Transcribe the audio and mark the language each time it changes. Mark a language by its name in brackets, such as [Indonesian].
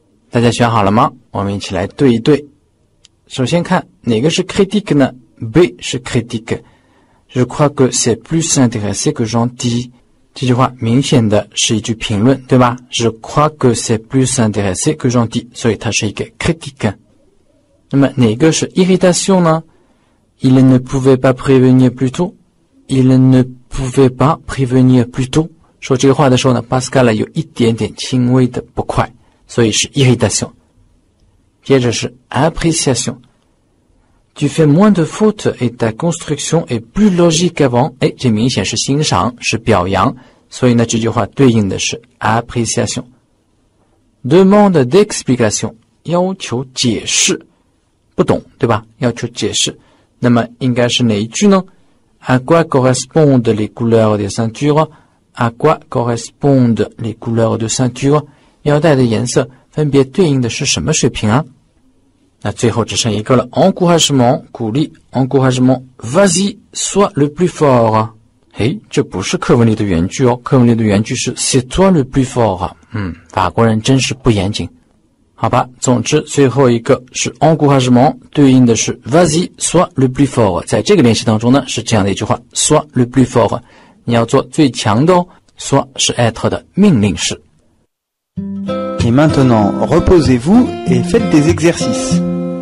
[Chinese] 大家选好了吗？我们一起来对一对。首先看哪个是 critique 呢 ？B 是 critique。 [French] Je crois que c'est plus intéressé que gentil。 [Chinese] 这句话明显的是一句评论，对吧 ？ [French] Je crois que c'est plus intéressé que gentil， [Chinese] 所以它是一个 critique。那么哪个是 irritation 呢 ？ [French] Il ne pouvait pas prévenir plus tôt。 Il ne pouvait pas prévenir plus tôt。 [Chinese] 说这个话的时候呢 ，Pascal 有一点点轻微的不快，所以是 irritation。接着是 appréciation。 [French] Tu fais moins de fautes et ta construction est plus logique qu'avant. [Chinese] 诶，这明显是欣赏，是表扬，所以呢，这句话对应的是 appréciation。 Demande d'explication， 要求解释，不懂，对吧？要求解释，那么应该是哪一句呢 ？ [French] À quoi correspondent les couleurs des ceintures？ À quoi correspondent les couleurs de ceinture？ [Chinese] 腰带的颜色分别对应的是什么水平啊？那最后只剩一个了 ，encouragement 鼓励 ，encouragement [French] vas-y sois le plus fort。 [Chinese] 哎，这不是课文里的原句哦，课文里的原句是 [French] c'est toi le plus fort。 [Chinese] 法国人真是不严谨。好吧，总之最后一个是 encouragement， 对应的是 [French] vas-y sois le plus fort。 [Chinese] 在这个练习当中呢，是这样的一句话 ： [French] sois le plus fort， [Chinese] 你要做最强的哦。 sois 是 être 的命令式。 [French] Et maintenant, reposez-vous et faites des exercices.